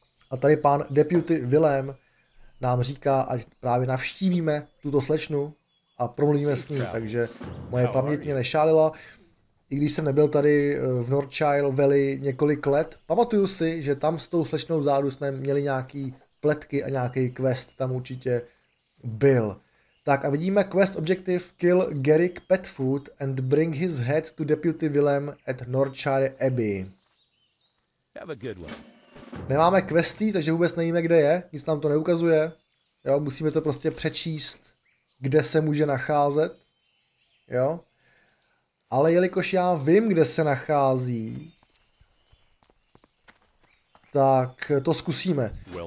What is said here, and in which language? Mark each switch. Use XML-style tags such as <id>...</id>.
<cs>A tady pán deputy Willem nám říká, ať právě navštívíme tuto slečnu a promluvíme s ní, takže moje paměť mě nešálila. I když jsem nebyl tady v Northchild Valley několik let, pamatuju si, že tam s tou slečnou vzadu jsme měli nějaký pletky a nějaký quest tam určitě byl. Tak a vidíme</cs> <en>quest objective kill Garrick Petfoot and bring his head to Deputy Willem at Northshire Abbey. Have a good one.</en> <cs>Nemáme questy, takže vůbec nevíme, kde je, nic nám to neukazuje. Jo, musíme to prostě přečíst, kde se může nacházet. Jo. Ale jelikož já vím, kde se nachází, tak to zkusíme.</cs>